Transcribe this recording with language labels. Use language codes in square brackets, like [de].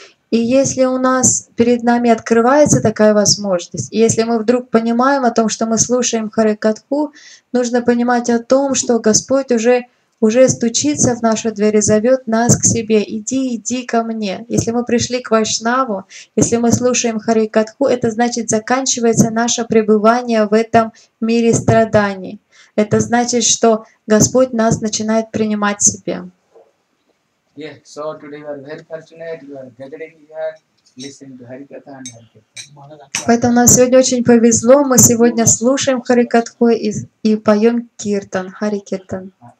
[ru] И если у нас перед нами открывается такая возможность, и если мы вдруг понимаем о том, что мы слушаем Харикатху, нужно понимать о том, что Господь уже стучится в наши двери, зовет нас к себе. «Иди, иди ко мне». Если мы пришли к Вайшнаву, если мы слушаем Харикатху, это значит, заканчивается наше пребывание в этом мире страданий. Это значит, что Господь нас начинает принимать к себе. [en] Yes, so today you are very fortunate, you are gathering here, listening to Harikatha and Harikatha. [ru] Поэтому нам сегодня очень повезло, мы сегодня слушаем Харикатху и поем Киртан, Харикиртан.